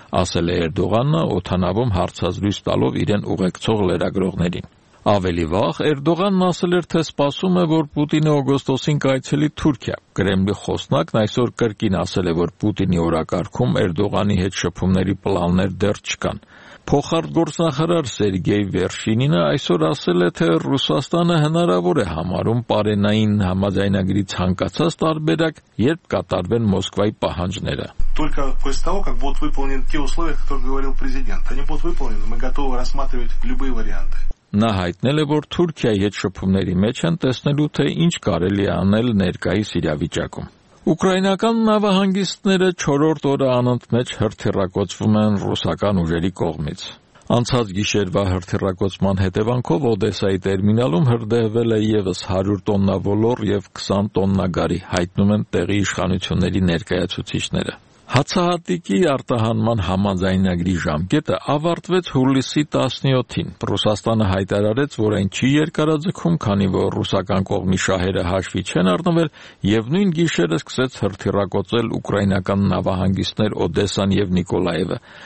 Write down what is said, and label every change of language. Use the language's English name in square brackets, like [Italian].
[Armenian] ասել է Էրդողանը, օթանավում հարցազրույց տալով իրեն ուղեկցող լրագրողներին։ Ավելի վաղ Էրդողանն ասել էր, թե սպասում է, որ Պուտինը օգոստոսին կայցելի Թուրքիա։ Կրեմլի խոսնակն այսօր կրկին ասել է, որ Պուտինի օրակարգում Էրդողանի հետ շփումների պլաններ դեռ չկան։ Փոխարտ գործնախարար Սերգեյ Վերշինինը այսօր ասել է, թե Ռուսաստանը հնարավոր է համարում Պարենային համաձայնագրի ցանկացած տարբերակ, երբ կատարվեն Մոսկվայի պահանջները։ [Russian] Только после того, как будут выполнены те условия, которые говорил президент, они будут выполнены, мы готовы рассматривать любые варианты. [Armenian] Նա հայտնել է, որ Թուրքիայի հետ շփումների մեջ են, տեսնելու թե ինչ կարելի է անել ներկայիս իրավիճակում։ Ուկրաինական նավահանգիստները 4-րդ օրը անընդմեջ հրթիռակոծվում են ռուսական ուժերի կողմից։ Անցած գիշերվա հրթիռակոծման հետևանքով Օդեսայի տերմինալում հրդեհվել է ևս 100 տոննա ոլոր և 20 տոննա գարի, հայտնում են տեղի իշխանությունների ներկայացուցիչները։ Հացահատիկի արտահանման համաձայնագրի ժամկետը ավարտվեց հուլիսի 17-ին։ Ռուսաստանը հայտարարեց, որ այն չի երկարաձգում, քանի որ ռուսական կողմի շահերը հաշվի չեն առնվել, և նույն գիշերը սկսեց հրթիռակոծել ուկրաինական նավահանգիստներ Օդեսան և Նիկոլայևը։